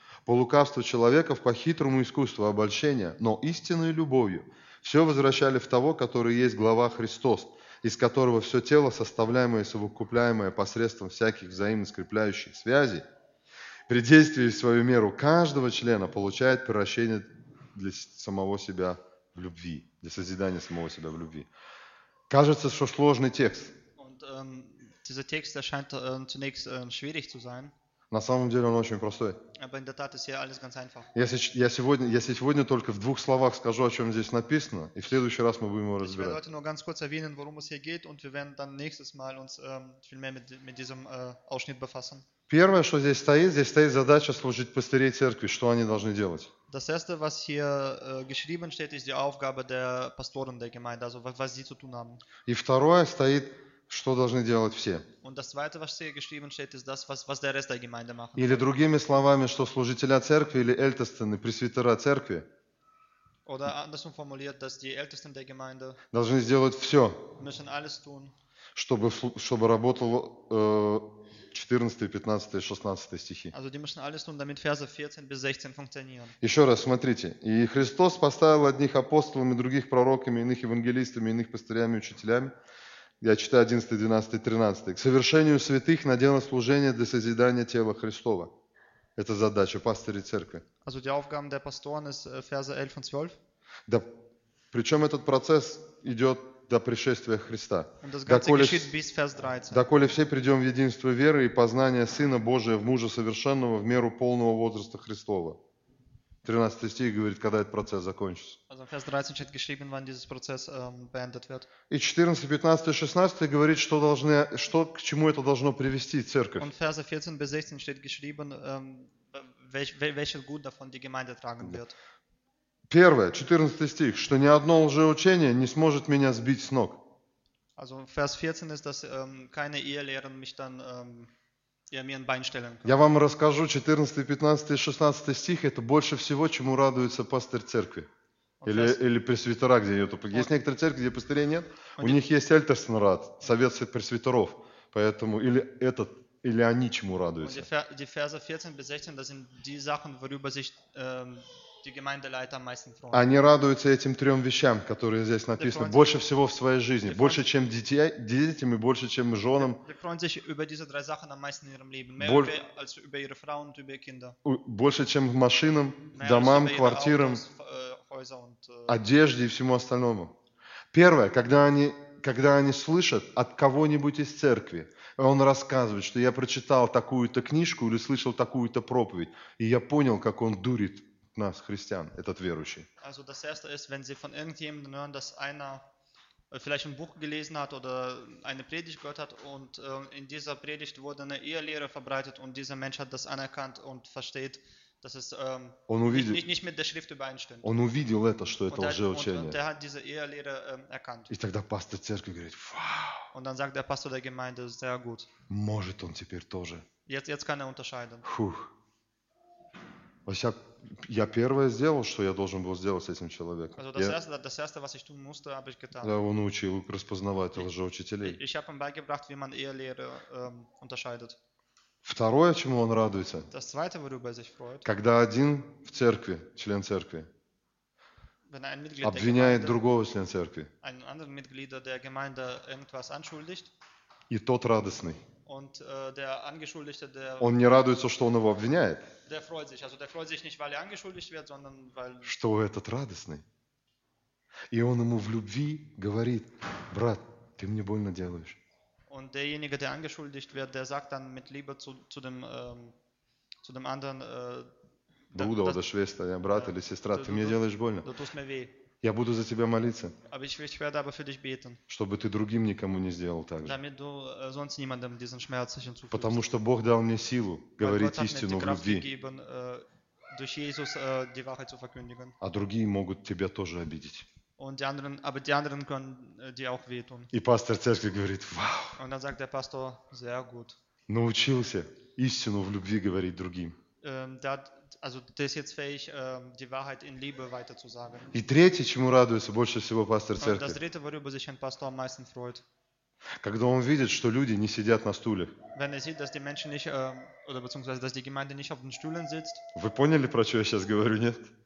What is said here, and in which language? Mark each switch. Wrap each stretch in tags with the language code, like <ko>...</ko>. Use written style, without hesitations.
<ru>по лукавству человеков, по хитрому искусству обольщения, но истинной любовью все возвращали в Того, Который есть глава Христос, из которого все тело, составляемое и совокупляемое посредством всяких взаимно скрепляющих связей, при действии в свою меру каждого члена получает превращение для самого себя в любви, для созидания самого себя в любви. Кажется, что сложный текст.</ru> <de>Und, dieser Text erscheint, zunächst, schwierig zu sein.</de> <ru>На самом деле он очень простой.</ru> <de>Aber in der Tat ist hier alles ganz einfach.</de> <ru>Если сегодня только в двух словах скажу, о чем здесь написано, и в следующий раз мы будем его разбирать.</ru> <de>Ich werde heute nur ganz kurz erwähnen, worum es hier geht, und wir werden dann nächstes Mal uns viel mehr mit diesem Ausschnitt befassen.</de> <ru>Первое, что здесь стоит задача служить пастырей церкви, что они должны делать.</ru> <de>Das erste, was hier geschrieben steht, ist die Aufgabe der Pastoren der Gemeinde, also was sie zu tun haben.</de> <ru>И второе стоит, что должны делать все.</ru> <de>Und das zweite, was hier geschrieben steht, ist das, was der Rest der Gemeinde machen.</de> <ru>Или другими словами, что служителя церкви или ältesten, пресвитера церкви.</ru> <de>Oder andersrum formuliert, dass die Ältesten der Gemeinde</de> <ru>должны сделать все.</ru> <de>Müssen alles tun.</de> <ru>Чтобы работал 14-15-16 стихи.</ru> <de>Also die müssen alles tun, damit Verse 14 bis 16 funktionieren.</de> <ru>Еще раз, смотрите. И Христос поставил одних апостолами, других пророками, иных евангелистами, иных пастырями, учителями. Я читаю 11, 12, 13. К совершению святых на дело служения для созидания тела Христова. Это задача пастыря и церкви.</ru> <de>Also die Aufgaben der Pastoren ist Verse 11 und 12.</de> <ru>Да, причем этот процесс идет до пришествия Христа.</ru> <de>Und das Ganze geschieht bis Vers 13.</de> <ru>Доколе все придем в единство веры и познание Сына Божия в мужа совершенного в меру полного возраста Христова. 13 стих говорит, когда этот процесс закончится.</ru> <de>Also Vers 13 steht geschrieben, wann dieses Prozess beendet wird.</de> <ru>И 14, 15, 16 говорит, что должны, что, к чему это должно привести церковь.</ru> <de>Und Vers 14 bis 16 steht geschrieben, welches Gut davon die Gemeinde tragen wird.</de> <ru>Первое, 14 стих, что ни одно лжеучение не сможет меня сбить с ног.</ru> <de>Also Vers 14 ist, dass keine Irrlehren mich dann mir ein Bein stellen können.</de> <ru>Я вам расскажу, 14, 15, 16 стих, это больше всего, чему радуется пастырь церкви. Или пресвитера, где нету. Есть некоторые церкви, где пастырей нет. У них есть Эльтерсенрат, совет пресвитеров. Поэтому или этот... Или они чему радуются?</ru> <de>Die Verse 14 bis 16, das sind die Sachen, worüber sich die Gemeindeleiter am meisten freuen.</de> <ru>Они радуются этим трем вещам, которые здесь написаны, больше всего в своей жизни. Больше, чем детям и больше, чем женам.</ru> <de>Die freuen sich über diese drei Sachen am meisten in ihrem Leben. Mehr als über ihre Frauen und über ihre Kinder.</de> <ru>Больше, чем машинам, домам, квартирам, одежде и всему остальному. Первое, когда они слышат от кого-нибудь из церкви, он рассказывает, что я прочитал такую-то книжку или слышал такую-то проповедь, и я понял, как он дурит нас, христиан, этот верующий.</ru> <de>Also das erste ist, wenn Sie von irgendjemandem hören, dass einer vielleicht ein Buch gelesen hat oder eine Predigt gehört hat und in dieser Predigt wurde eine Irrlehre verbreitet und dieser Mensch hat das anerkannt und versteht, dass es nicht mit der Schrift übereinstimmt.</de> <ru>Он увидел это, что это лжеучение.</ru> <de>Und er hat diese Irrlehre erkannt.</de> <ru>И тогда пастор церкви говорит, вау.</ru> <de>Und dann sagt der Pastor der Gemeinde, sehr gut.</de> <ru>Может он теперь тоже.</ru> <de>Jetzt kann er unterscheiden.</de> <ru>Фух. Я первое сделал, что я должен был сделать с этим человеком.</ru> <de>Also das erste, was ich tun musste, habe ich getan.</de> <ru>Да, он учил распознавать лжеучителей.</ru> <de>Ich habe ihm beigebracht, wie man Irrlehre unterscheidet.</de> <ru>Второе, чему он радуется,</ru> <de>das zweite, worüber er sich freut,</de> <ru>когда один в церкви, член церкви,</ru> <de>wenn ein Mitglied</de> <ru>обвиняет</ru> <de>Gemeinde,</de> <ru>другого члена церкви,</ru> <de>einen anderen Mitglieder der Gemeinde irgendwas anschuldigt,</de> <ru>и тот радостный.</ru> <de>Und, der Angeschuldigte, der,</de> <ru>он не радуется, что он его обвиняет.</ru> <de>Der freut sich. Also, der freut sich nicht, weil er angeschuldigt wird, sondern weil...</de> <ru>Что этот радостный. И он ему в любви говорит, брат, ты мне больно делаешь.</ru> <de>Und derjenige, der angeschuldigt wird, der sagt dann mit Liebe zu dem anderen, Bruder oder Schwester, ja, Brat oder Sestra, du mir</de> <ru>делаешь больно.</ru> <de>Du tust mir weh.</de> <ru>Я буду за тебя молиться.</ru> <de>Aber ich werde aber für dich beten.</de> <ru>Чтобы ты другим никому не сделал так же.</ru> <de>Damit du sonst niemandem diesen Schmerz hinzufügst.</de> <ru>Потому что Бог дал мне силу говорить истину в любви.</ru> <de>Gegeben, durch Jesus, die Wahrheit zu verkündigen.</de> <ru>А другие могут тебя тоже обидеть.</ru> <de>Und die anderen, aber die anderen können dir auch wehtun.</de> <ru>И пастор церкви говорит, вау.</ru> <de>Und dann sagt der Pastor, sehr gut.</de> <ru>Научился истину в любви говорить другим.</ru> <de>Also der ist jetzt fähig, die Wahrheit in Liebe weiterzusagen.</de> <ru>И третье, чему радуется больше всего пастор церкви.</ru> <de>Und das dritte, worüber sich ein Pastor am meisten freut.</de> <ru>Когда он видит, что люди не сидят на стуле.</ru> <de>Wenn er sieht, dass die Menschen nicht, oder beziehungsweise, dass die Gemeinde nicht auf den Stühlen sitzt.</de> <ru>Вы поняли, про что я сейчас говорю, нет?</ru>